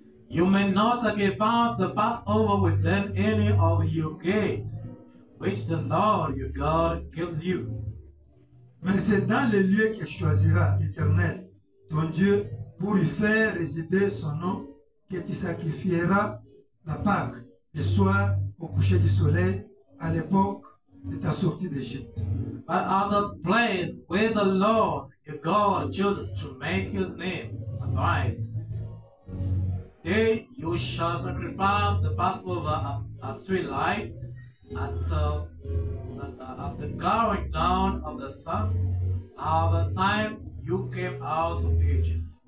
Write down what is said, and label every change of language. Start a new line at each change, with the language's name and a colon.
English: You may not sacrifice the Passover within any of your gates, which the Lord your God gives you.
French: Mais c'est dans les lieux que choisira l'Éternel, ton Dieu, pour y faire résider son nom, que tu sacrifieras la Pâque, le soir, au coucher du soleil, à l'époque de ta sortie d'Égypte.
English: But at the place where the Lord your God chooses to make his name abide, there you shall sacrifice the Passover at twilight, at the going down of the sun, at the time you came out of Egypt.